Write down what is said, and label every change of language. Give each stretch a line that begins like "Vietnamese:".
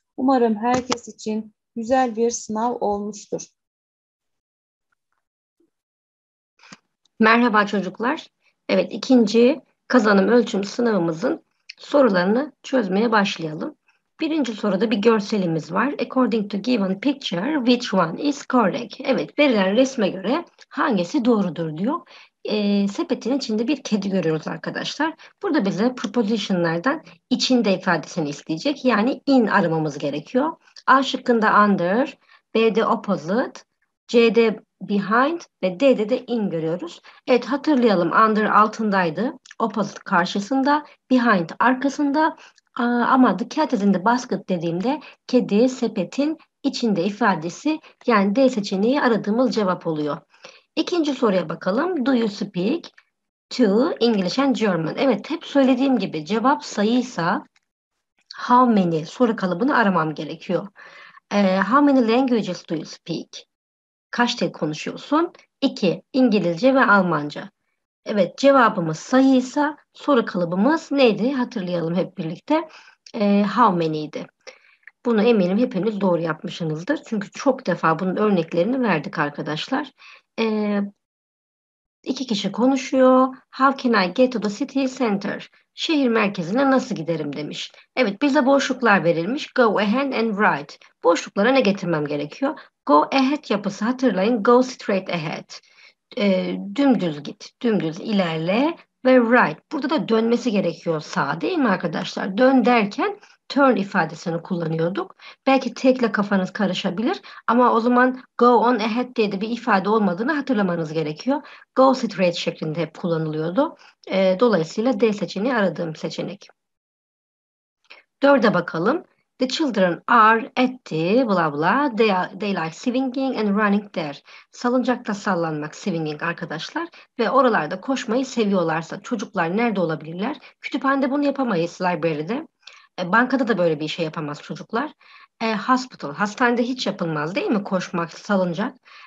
Turkish: Umarım herkes için güzel bir sınav olmuştur. Merhaba çocuklar. Evet, ikinci kazanım ölçüm sınavımızın sorularını çözmeye başlayalım. Birinci soruda bir görselimiz var.
English: According to given picture, which one is correct?
Turkish: Evet, verilen resme göre hangisi doğrudur diyor. Sepetin içinde bir kedi görüyoruz arkadaşlar. Burada bize prepositionlardan içinde ifadesini isteyecek. Yani in aramamız gerekiyor. A şıkkında under, B'de opposite, C'de behind ve D'de de in görüyoruz. Evet, hatırlayalım. Under altındaydı. Opposite karşısında, behind arkasında. Ama
English: the cat is in the basket
Turkish: dediğimde kedi sepetin içinde ifadesi, yani D seçeneği aradığımız cevap oluyor. İkinci soruya bakalım.
English: Do you speak to English and German?
Turkish: Evet, hep söylediğim gibi cevap sayıysa how many soru kalıbını aramam gerekiyor.
English: How many languages do you speak?
Turkish: Kaç dil konuşuyorsun? 2. İngilizce ve Almanca. Evet, cevabımız sayıysa soru kalıbımız neydi? Hatırlayalım hep birlikte.
English: How many'ydi.
Turkish: Bunu eminim hepiniz doğru yapmışsınızdır. Çünkü çok defa bunun örneklerini verdik arkadaşlar. İki kişi konuşuyor.
English: How can I get to the city center?
Turkish: Şehir merkezine nasıl giderim demiş. Evet, bize boşluklar verilmiş.
English: Go ahead and write. Boşluklara ne getirmem gerekiyor?
Turkish: Go ahead yapısı hatırlayın.
English: Go straight ahead.
Turkish: Dümdüz git. Dümdüz ilerle. Ve right. Burada da dönmesi gerekiyor sağa, değil mi arkadaşlar? Dön derken turn ifadesini kullanıyorduk. Belki tekle kafanız karışabilir. Ama o zaman go on ahead diye de bir ifade olmadığını hatırlamanız gerekiyor. Go straight şeklinde hep kullanılıyordu. Dolayısıyla D seçeneği aradığım seçenek. Dörde bakalım.
English: The children are at the blah blah. They like swinging and running there.
Turkish: Salıncakta sallanmak, swinging arkadaşlar. Ve oralarda koşmayı seviyorlarsa çocuklar nerede olabilirler? Kütüphanede bunu yapamayız, library'de. Bankada da böyle bir şey yapamaz çocuklar. Hospital, hastanede hiç yapılmaz değil mi? Koşmak, salıncak.